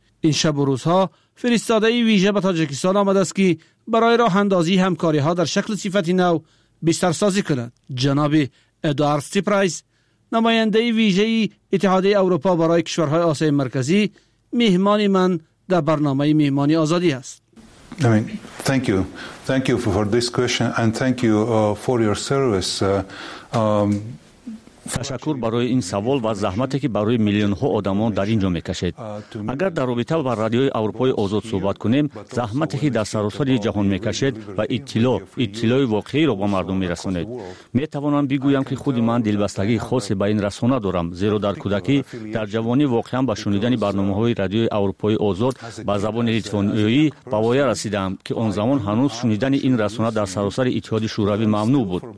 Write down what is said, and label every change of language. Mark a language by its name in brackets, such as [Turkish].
[Persian] این شب و روزها فرستاده ویژه به تاجیکستان آمده است که برای راه اندازی همکاری ها در شکل صفت نو بیشتر سازی کند. جناب ادوارد سیپرایس نماینده ویژه اتحادیه اروپا برای کشورهای آسیا مرکزی مهمان من در برنامه مهمانی آزادی است. [English] I mean, thank you for this question, and thank you for your service. [Persian] تشکر برای این سوال و زحمتی که برای میلیون ها آدمان در اینجا میکشید. اگر در رابطه با رادیوی اروپای آزاد صحبت کنیم، زحمتی که در سراسر جهان میکشید و اطلاعی واقعی را به مردم میرسانید. میتوانم بگویم که خود من دلبستگی خاصی به این رسانه دارم، زیرا در کودکی در جوانی واقعا به شنیدن برنامه های رادیوی اروپای آزاد به زبان لیتوانیایی به وای رسیدم که آن زمان هنوز شنیدن این رسانه در سراسر اتحاد شوروی ممنوع بود.